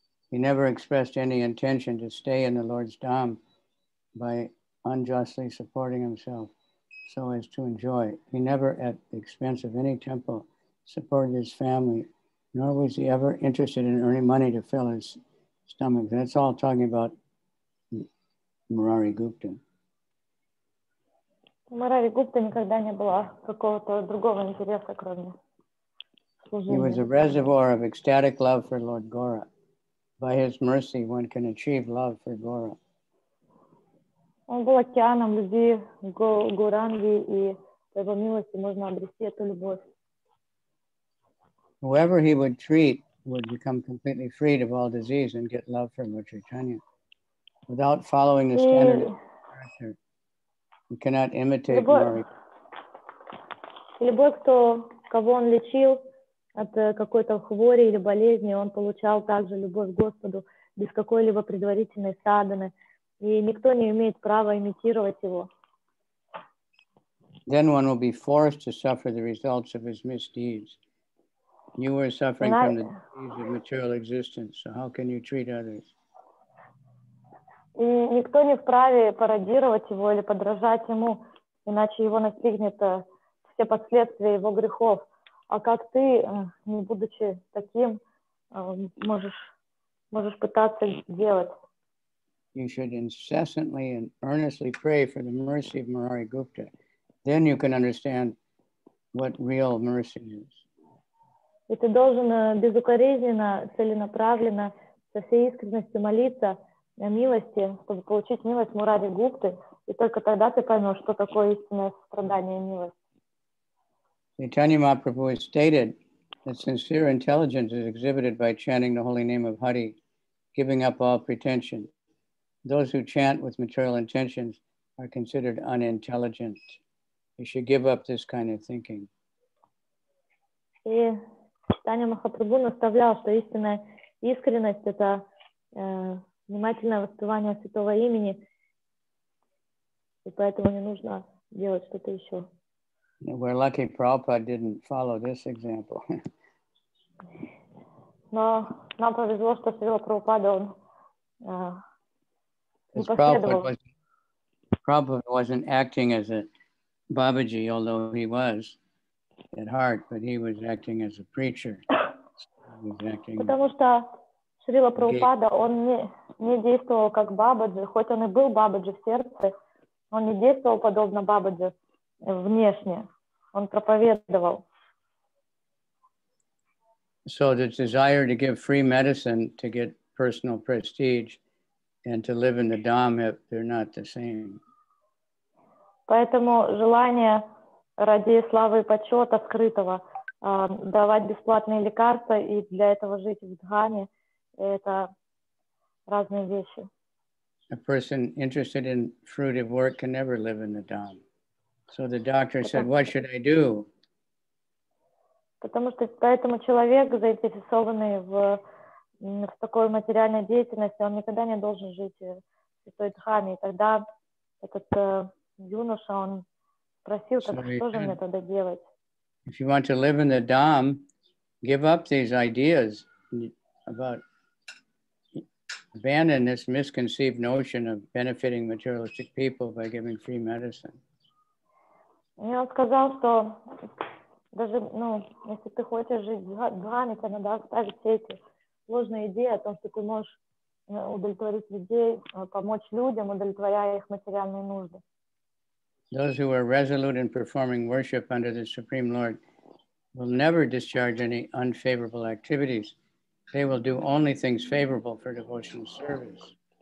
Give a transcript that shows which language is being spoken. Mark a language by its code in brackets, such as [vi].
[en] He never expressed any intention to stay in the Lord's Dham by unjustly supporting himself so as to enjoy. He never, at the expense of any temple, supported his family, nor was he ever interested in earning money to fill his stomach. That's all talking about Мурари Гупта. [ru] Мурари Гупта никогда не было какого-то другого интереса, кроме служения. [en] He was a reservoir of ecstatic love for Lord Gaura. By his mercy, one can achieve love for Gaura. [ru] Он был океаном любви, Гуранги, и по его милости можно обрести эту любовь. [en] Whoever he would treat would become completely freed of all disease and get love from Lord Chaitanya. Without following the standard of character, you cannot imitate Mari. [ru] Любой, кто, кого он лечил от какой-то хвори или болезни, он получал также любовь к Господу без какой-либо предварительной садханы, и никто не имеет права имитировать его. [en] Then one will be forced to suffer the results of his misdeeds. You are suffering from the disease of material existence, so how can you treat others? [ru] И никто не вправе пародировать его или подражать ему, иначе его настигнет все последствия его грехов. А как ты, не будучи таким, можешь пытаться делать? [en] You should incessantly and earnestly pray for the mercy of Murari Gupta. Then you can understand what real mercy is. [ru] И ты должен безукоризненно, целенаправленно, со всей искренностью молиться на милости, чтобы получить милость Мурари Гупты, и только тогда ты поймешь, что такое истинное страдание и милость. [en] Chaitanya Mahaprabhu has stated that sincere intelligence is exhibited by chanting the holy name of Hari, giving up all pretension. Those who chant with material intentions are considered unintelligent. You should give up this kind of thinking. [ru] И Chaitanya Mahaprabhu наставлял, что истинная искренность — это внимательное воспевание святого имени, и поэтому не нужно делать что-то еще. [en] We're lucky Prabhupada didn't follow this example. [ru] Но нам повезло, что Святой Прабхупада он не последовал. [en] Prabhupada wasn't acting as a Babaji, although he was at heart, but he was acting as a preacher. [ru] Потому что Шрила Прабхупада, он не действовал как Бабаджи, хоть он и был Бабаджи в сердце, он не действовал подобно Бабаджи внешне, он проповедовал. [en] So the desire to give free medicine to get personal prestige and to live in the Dhamma, they're not the same. [ru] Поэтому желание ради славы и почета скрытого давать бесплатные лекарства и для этого жить в Дхаме — это разные вещи. [en] A person interested in fruitive work can never live in the Dham. So the doctor said, what should I do? [ru] Потому что поэтому человек, заинтересованный в такой материальной деятельности, он никогда не должен жить в Святой Дхаме. И тогда этот юноша, он спросил, как, что же мне тогда делать? [en] If you want to live in the Dham, give up these ideas about... Abandon this misconceived notion of benefiting materialistic people by giving free medicine. [ru] И он сказал, что даже, ну, если ты хочешь жить в Дхаме, то надо оставить все эти ложные идеи о том, что ты можешь удовлетворить людей, помочь людям, удовлетворяя их материальные нужды. [en] Those who are resolute in performing worship under the Supreme Lord will never discharge any unfavorable activities. They will do only things favorable for devotional service.